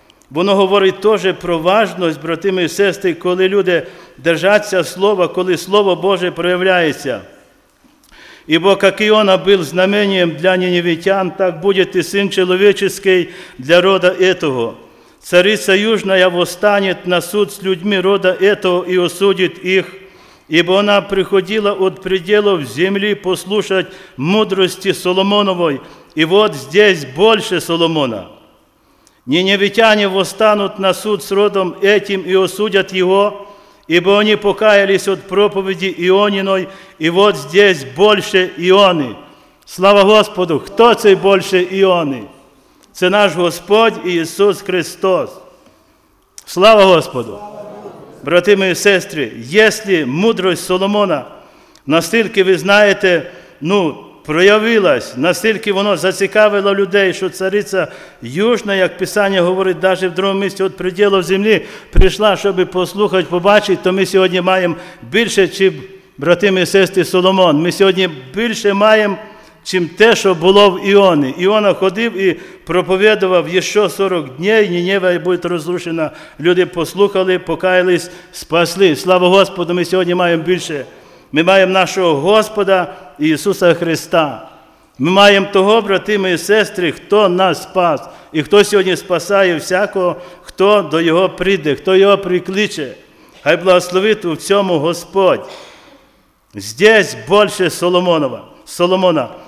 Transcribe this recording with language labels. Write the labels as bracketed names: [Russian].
[Ukrainian] Воно говорить теж про важливість, брати і сестри, коли люди держаться слова, коли Слово Боже проявляється. «Ібо як Іона був знаменієм для ніневітян, так буде і син чоловічий для рода етого». [Russian] Цариця Южная восстанет на суд с людьми рода этого и осудит их, ибо она приходила от пределов земли послушать мудрости Соломоновой, и вот здесь больше Соломона. Ниневитяне восстанут на суд с родом этим и осудят его, ибо они покаялись от проповеди Иониной, и вот здесь больше Ионы. Слава Господу! Кто цей больше Ионы? [Ukrainian] Це наш Господь Ісус Христос. Слава Господу! Брати мої сестри, якщо мудрость Соломона настільки, ви знаєте, проявилась, настільки воно зацікавило людей, що цариця Южна, як Писання говорить, навіть в другому місці, від пределів землі, прийшла, щоб послухати, побачити, то ми сьогодні маємо більше, ніж, брати мої сестри, Соломон. Ми сьогодні більше маємо, чим те, що було в Іоні. Іона ходив і проповідував ще 40 днів, Нінева буде розрушена. Люди послухали, покаялись, спасли. Слава Господу, ми сьогодні маємо більше. Ми маємо нашого Господа Ісуса Христа. Ми маємо того, брати мої сестри, хто нас спас. І хто сьогодні спасає всякого, хто до Його прийде, хто Його прикличе. Хай благословить у цьому Господь. Здесь більше Соломонова. Соломона.